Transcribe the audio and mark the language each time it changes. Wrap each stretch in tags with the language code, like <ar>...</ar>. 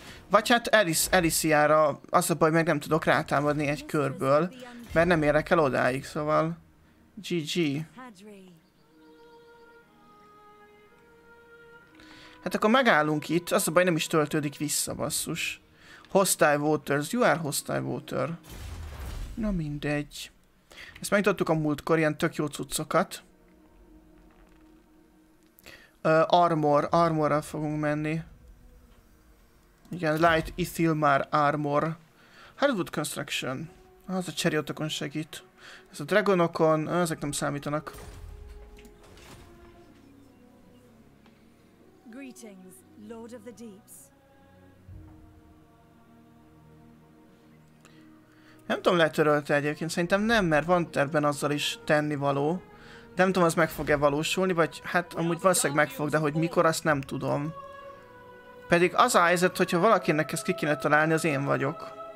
<hu>Vagy hát Elysiára az a baj, meg nem tudok rátámadni egy körből, mert nem érek el odáig, szóval... GG. Hát akkor megállunk itt, az a baj nem is töltődik vissza, basszus.</hu> <en>Hostile Waters, you are Hostile Water.</en> <hu>Na mindegy. Ezt megnyitottuk a múltkor, ilyen tök jó cuccokat. Armorral fogunk menni. Igen, Light Ithilmar Armor. Hardwood Construction. Az a cseriotokon segít. Ez a dragonokon, ezek nem számítanak.</hu> <en>Greetings, Lord of the Deeps.</en> <hu>Nem tudom, letörölte egyébként, szerintem nem, mert van terben azzal is tennivaló. De nem tudom, az meg fog-e valósulni, vagy hát amúgy valószínűleg meg fog, de hogy mikor, azt nem tudom. Pedig az a helyzet, hogyha valakinek ezt ki kéne találni, az én vagyok.</hu>